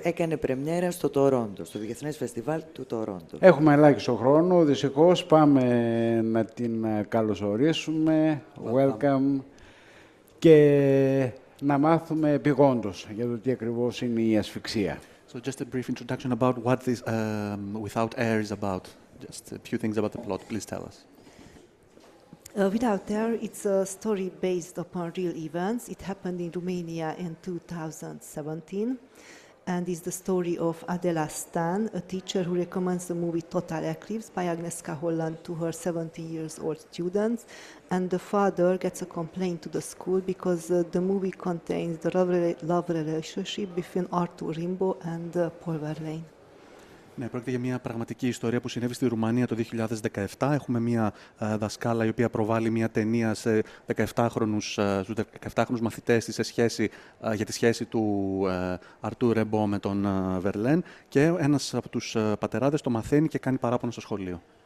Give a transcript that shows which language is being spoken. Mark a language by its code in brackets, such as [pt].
[el] Έκανε πρεμιέρα στο Τορόντο, στο Διεθνές Φεστιβάλ του Τορόντο. Έχουμε ελάχιστο χρόνο, δυστυχώς. Πάμε να την καλωσορίσουμε. Welcome. Και να μάθουμε επιγόντως για το τι ακριβώς είναι η Ασφυξία. [en] So just a brief introduction about what this Without Air is about. Just a few things about the plot, please tell us. Without Air, it's a story based upon real events. It happened in Romania in 2017 and is the story of Adela Stan, a teacher who recommends the movie Total Eclipse by Agnieszka Holland to her 17-year-old students. And the father gets a complaint to the school because the movie contains the love relationship between Arthur Rimbaud and Paul Verlaine. [el] Ναι, πρόκειται για μια πραγματική ιστορία που συνέβη στη Ρουμανία το 2017. Έχουμε μια δασκάλα η οποία προβάλλει μια ταινία σε 17χρονους μαθητές της για τη σχέση του Αρτούρ Ρεμπό με τον Βερλέν και ένας από τους πατεράδες το μαθαίνει και κάνει παράπονο στο σχολείο.